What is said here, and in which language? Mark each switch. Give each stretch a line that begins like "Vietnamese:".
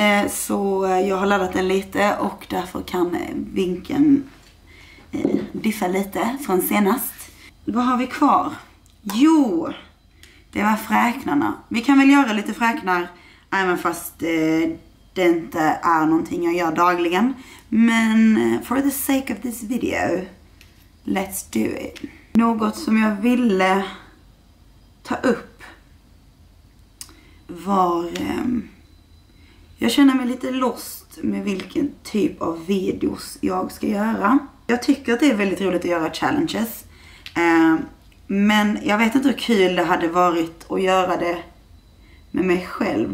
Swedish: Så jag har laddat den lite och därför kan vinkeln diffa lite från senast. Vad har vi kvar? Jo, det var fräknarna. Vi kan väl göra lite fräknar även fast det inte är någonting jag gör dagligen. Men
English: for the sake of this video, let's do it.
Swedish: Något som jag ville ta upp var jag känner mig lite lost med vilken typ av videos jag ska göra. Jag tycker att det är väldigt roligt att göra challenges. Men jag vet inte hur kul det hade varit att göra det med mig själv.